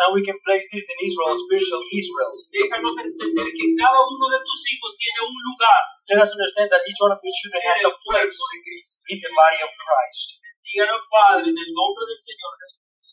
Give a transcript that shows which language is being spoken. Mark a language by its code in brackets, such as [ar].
[en] Now we can place this in Israel, spiritual Israel. [es] Déjanos entender que cada uno de tus hijos tiene un lugar. [en] Let us understand that each one of your children has a place in the body of Christ. [es] Díganos, Padre, en el nombre del Señor Jesús.